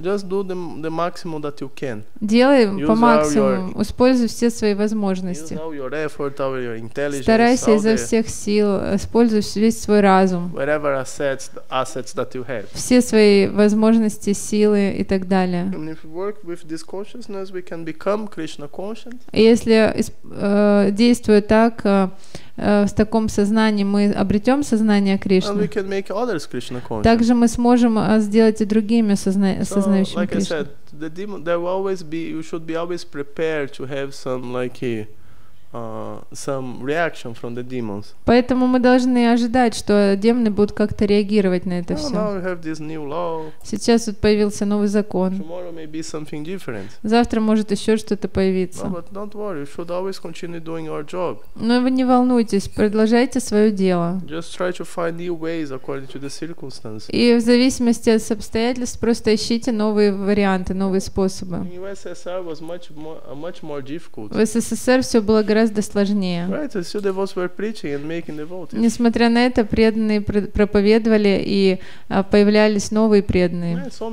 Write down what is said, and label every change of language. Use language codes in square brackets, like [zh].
[en] Just do the maximum that you can. [ru] Делай по максимуму, используй все свои возможности. [en] Use all your effort, all your intelligence. [ru] Старайся изо всех сил, используй весь свой разум. [en] Whatever assets that you have. [ru] Все свои возможности, силы и так далее. [en] And if we work with this consciousness, we can become Krishna conscious. [ru] Если действуя так, в таком сознании мы обретем сознание Кришны. Также мы сможем сделать и другими сознающими Кришны. [en] So, like Krishna. I said, the demon, there will always be, you should be always prepared to have some like some reaction from the demons. [ru] Поэтому мы должны ожидать, что демоны будут как-то реагировать на это все. [en] Now we have this new law. [ru] Сейчас тут появился новый закон. [en] Tomorrow may be something different. [ru] Завтра может еще что-то появиться. [en] No, but don't worry. You should always continue doing your job. [ru] Но вы не волнуйтесь, продолжайте свое дело. [en] Just try to find new ways according to the circumstances. [ru] И в зависимости от обстоятельств просто ищите новые варианты, новые способы. [en] In USSR was much more difficult. [ru] В СССР все было гораздо сложнее. [en] Right, [ru] несмотря на это, преданные проповедовали и появлялись новые преданные.